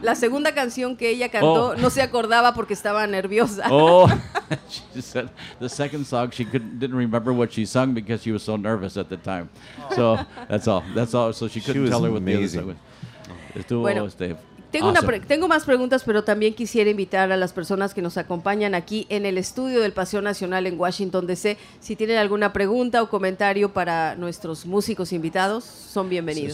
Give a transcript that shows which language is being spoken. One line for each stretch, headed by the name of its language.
Spanish: La segunda canción que ella cantó, no se acordaba porque estaba nerviosa.
English: Oh, she said the second song she didn't remember what she sung because she was so nervous at the time. So that's all. That's all. So she couldn't tell her what the other song was.
Spanish: Bueno, tengo más preguntas, pero también quisiera invitar a las personas que nos acompañan aquí en el estudio del Paseo Nacional en Washington D.C. Si tienen alguna pregunta o comentario para nuestros músicos invitados, son bienvenidos.